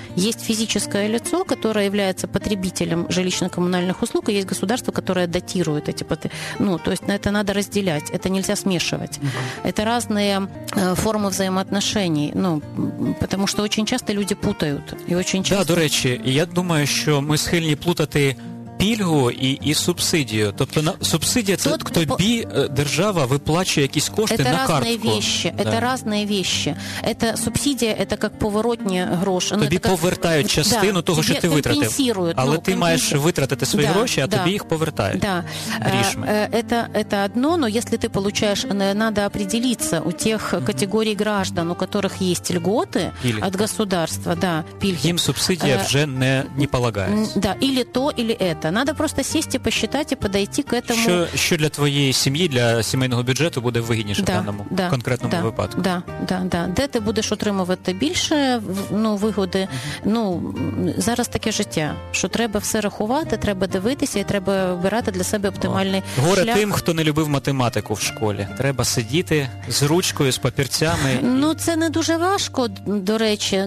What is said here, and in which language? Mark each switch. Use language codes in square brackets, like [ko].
[ru] Есть физическое лицо, которое является потребителем жилищно-коммунальных услуг, и есть государство, которое дотирует эти потребности. Ну, то есть на это надо разделять, это нельзя смешивать. Это разные формы взаимоотношений, ну, потому что очень часто люди путают. И очень часто... [uk] Да, до речі, я думаю, що ми схильні плутати пільгу і субсидію. Тобто субсидія – це тобі держава виплачує якісь кошти на картку. Це різні речі. Це різні речі. Це субсидія – це як поворотні гроші. Тобі повертають частину того, що ти витратив. Але ти маєш витратити свої гроші, а тобі їх повертають. Рішми. Це одно, але якщо ти отримуєш, [ru] треба определитися [uk] у тих категорій граждан, у яких є льготи від государства. Їм субсидія вже не полагається. [ru] Или то, или это. Надо просто сесть и посчитать, и подойти к этому. Что для твоей семьи, для семейного бюджета будет выгоднее данному конкретному выпадку? Да. Где ты будешь отримувати больше выгоды? [uk] Ну, зараз таке життя, що треба все рахувати, треба дивитися і треба обирати для себе оптимальний шлях. Горе тим, хто не любив математику в школі. Треба сидіти з ручкою, з папірцями. Ну, це не дуже важко, до речі.